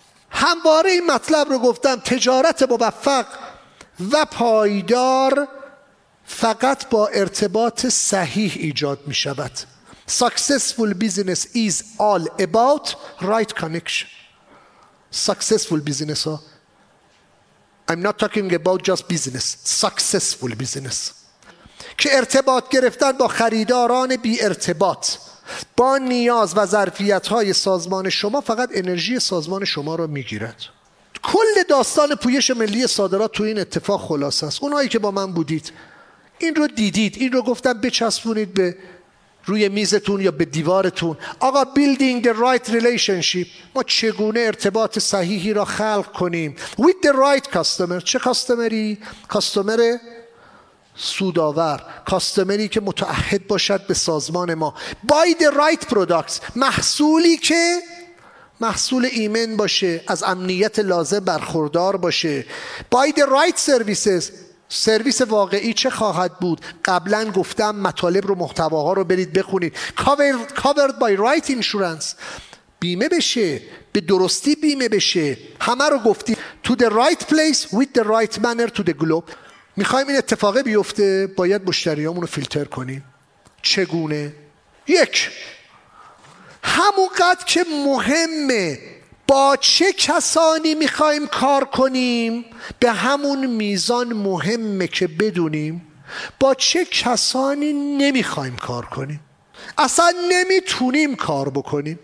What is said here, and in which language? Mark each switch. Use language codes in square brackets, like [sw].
[fa] همواره این مطلب رو گفتم، تجارت موفق و پایدار فقط با ارتباط صحیح ایجاد می شود. [en] Successful business is all about right connection. Successful business. I'm not talking about just business. Successful business. [fa] که ارتباط گرفتن با خریداران بی ارتباط با نیاز و ظرفیت‌های سازمان شما فقط انرژی سازمان شما رو می‌گیرد. کل داستان پویش ملی صادرات تو این اتفاق خلاصه است. اونایی که با من بودید این رو دیدید، این رو گفتم بچسبونید به روی میزتون یا به دیوارتون. آقا [en] building the right relationship، [fa] ما چگونه ارتباط صحیحی را خلق کنیم [en] with the right customer. [fa] چه کاستمری؟ کاستمر سوداور، کاستمری که متعهد باشد به سازمان ما. [en] buy the right products، [fa] محصولی که محصول ایمن باشه، از امنیت لازم برخوردار باشه. [en] buy the right services، [fa] سرویس واقعی چه خواهد بود؟ قبلا گفتم مطالب رو، محتواها رو برید بخونید. [en] covered by right insurance، [fa] بیمه بشه، به درستی بیمه بشه. همه رو گفتید. [en] to the right place with the right manner to the globe. [fa] میخوایم این اتفاق بیفته، باید مشتریامون رو فیلتر کنیم. چگونه؟ یک، همونقدر که مهمه با چه کسانی میخوایم کار کنیم، به همون میزان مهمه که بدونیم با چه کسانی نمیخوایم کار کنیم، اصلا نمیتونیم کار بکنیم.